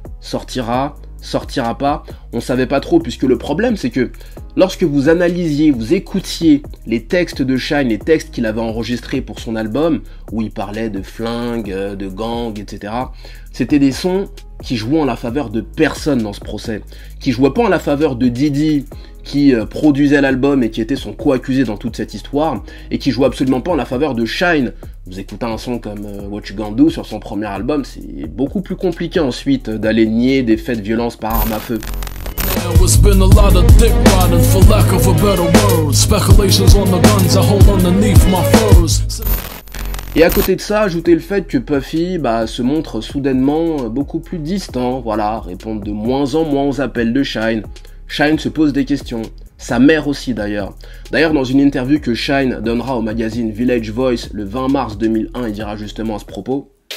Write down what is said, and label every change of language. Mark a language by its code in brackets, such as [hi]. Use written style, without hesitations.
[fr] Sortira, sortira pas, on savait pas trop, puisque le problème c'est que lorsque vous analysiez, vous écoutiez les textes de Shine, les textes qu'il avait enregistrés pour son album, où il parlait de flingues, de gangs, etc., c'était des sons qui jouaient en la faveur de personne dans ce procès, qui jouaient pas en la faveur de Didi, qui produisait l'album et qui était son co-accusé dans toute cette histoire, et qui jouait absolument pas en la faveur de Shine. Vous écoutez un son comme What You Gonna Do sur son premier album, c'est beaucoup plus compliqué ensuite d'aller nier des faits de violence par arme à feu. [en] It's been a lot of dick riding, for lack of a better word. Speculations on the guns I hold underneath my furs. [fr] Et à côté de ça, ajoutez le fait que Puffy se montre soudainement beaucoup plus distant, voilà, répond de moins en moins aux appels de Shine. Shine se pose des questions, sa mère aussi d'ailleurs. D'ailleurs, dans une interview que Shine donnera au magazine Village Voice le 20 mars 2001, il dira justement à ce propos.